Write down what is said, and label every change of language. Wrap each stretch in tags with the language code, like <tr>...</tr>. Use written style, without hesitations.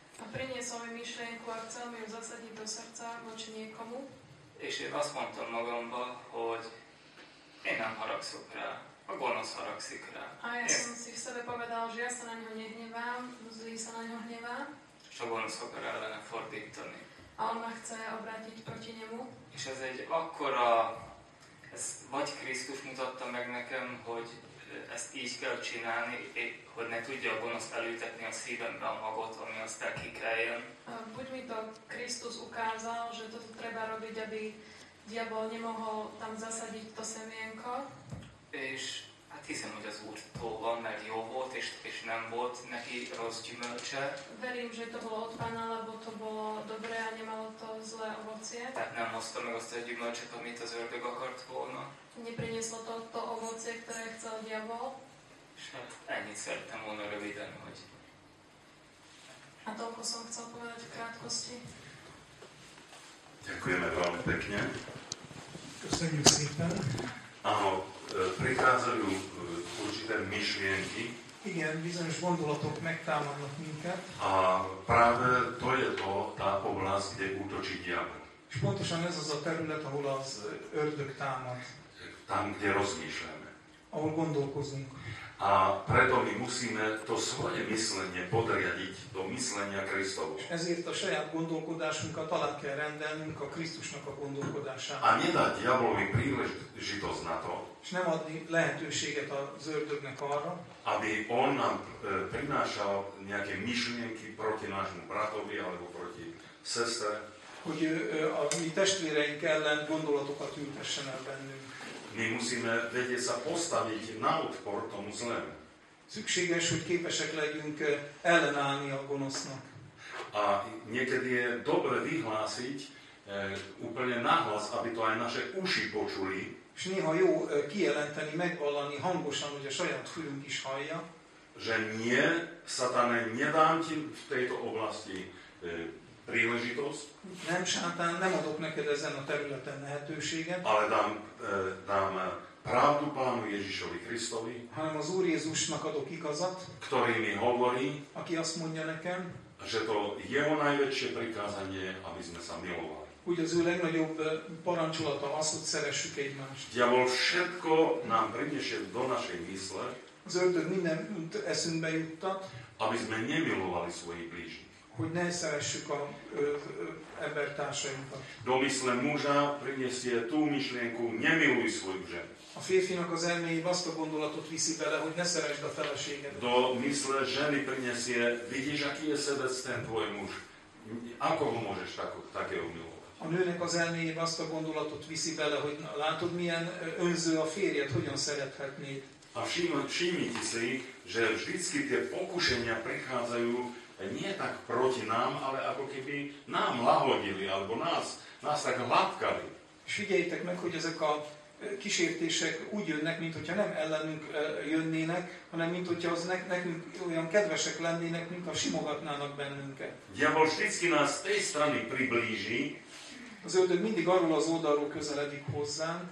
<sk>A priniesol mi myšlienku a chcel mi ju zasadiť do srdca voči niekomu.</sk> <hu>És én azt mondtam magamba, hogy én nem haragszok rá, a gonosz haragszik rá.</hu> <sk>A ja som si v sebe povedal, že ja sa na ňo nehnevám, zlý sa na ňo hnevá.</sk> <hu>És a gonosz akar ellene fordítani.</hu> <sk>A on ma chce obrátiť proti nemu.</sk> <hu>És ez egy akkora... Ez vagy Krisztus mutatta meg nekem, hogy ezt így kell csinálni, hogy ne tudja a gonosz elültetni a szívembe a magot, ami aztán kikeljen.</hu> <sk>Buď mi to Krisztus ukázal, že toto treba robiť, aby diabol nemohol tam zasadiť to semienko.</sk> <hu>És hát hiszem, hogy az Úrtól van, mert jó volt, és nem volt neki rossz gyümölcse.</hu> <sk>Verím, že to bolo od Pána, lebo to bolo dobré a nemalo to zlé ovocie.</sk> <hu>Tehát nem hozta meg azt a gyümölcset, amit az ördög akart volna.</hu> <sk>Neprinieslo to to ovocie, ktoré chcel diabol.</sk> <hu>És hát ennyit szerettem volna röviden, hogy...</hu> <sk>A toľko som chcel povedať v krátkosti. Ďakujeme veľmi pekne.</sk> <hu>Köszönjük szépen.</hu> <sk>Áno. Prichádzajú určité myšlienky.</sk> <hu>Igen, bizonyos gondolatok megtámadnak minket.</hu> <sk>A práve to je to, tá oblasť, kde útočí diabol.</sk> <hu>És pontosan ez az a terület, ahol az ördög támad.</hu> <sk>Tam, kde rozmýšľame.</sk> <hu>Ahol gondolkozunk.</hu> <sk>A preto my musíme to svoje myslenie podriadiť do myslenia Kristovu.</sk> <hu>Ezért a saját gondolkodásunkat alá kell rendelnünk a Krisztusnak a gondolkodásának.</hu> <sk>A nedáť diabolovi príležitosť na to.</sk> <hu>És nem adni lehetőséget az ördögnek arra.</hu> <sk>Aby on nám prinášal nejaké myšlienky proti nášmu bratovi alebo proti sestre.</sk> <hu>Hogy a mi testvéreink ellen gondolatokat ültessen el bennünk.</hu> <sk>My musíme vedieť sa postaviť na odpor tomu zlému.</sk> <hu>Szükséges, hogy képesek legyünk ellenállni a gonosznak.</hu> <sk>A niekedy je dobre vyhlásiť úplne nahlas, aby to aj naše uši počuli.</sk> <hu>És néha jó kijelenteni, megvallani hangosan, hogy a saját fülünk is hallja.</hu> <sk>Že nie, satane, nedám ti v tejto oblasti príležitosť.</sk> <hu>Nem, sátán, nem adok neked ezen a területen lehetőséget.</hu> <sk>Ale dám pravdu Pánu Ježišovi Kristovi.</sk> <hu>Hanem az Úr Jézusnak adok igazat.</hu> <sk>Ktorý mi hovorí.</sk> <hu>Aki azt mondja nekem.</hu> <sk>Že to jeho najväčšie prikázanie, aby sme sa milovali.</sk> <hu>Úgy az ő legnagyobb parancsolata az, hogy szeressük egymást.</hu> <sk>Diabol všetko nám prinesie do našej mysle.</sk> <hu>Az ördög minden eszünkbe juttat.</hu> <sk>Aby sme nemilovali svojich blížnych.</sk> <hu>hogy ne szeressük a embertársainkat.</hu> <sk>Domysle muža prinesie tú myšlienku, nemiluj svoju ženu.</sk> <hu>A férfinak az elméje azt a gondolatot viszi bele, hogy ne szeresd a feleséget.</hu> <sk>Domysle ženy prinesie, vidíš, aký je sebec ten tvoj muž, ako ho môžeš takého milovať.</sk> <hu>A nőnek az elméje azt a gondolatot viszi bele, hogy látod, milyen önző a férjed, hogyan szerethetnéd.</hu> <sk>A všimnite si, že vždycky tie pokušenia prichádzajú nie tak proti nám, ale ako keby nám lahodili, alebo nás tak látkali.</sk> <hu>És figyeljétek meg, hogy ezek a kísértések úgy jönnek, mint hogyha nem ellenünk jönnének, hanem mint hogyha az nekünk olyan kedvesek lennének, mint ha simogatnának bennünket.</hu> <sk>Diabol vždycky nás tej strany priblíži,</sk> <hu>az ördög mindig arról az oldalról közeledik hozzánk.</hu>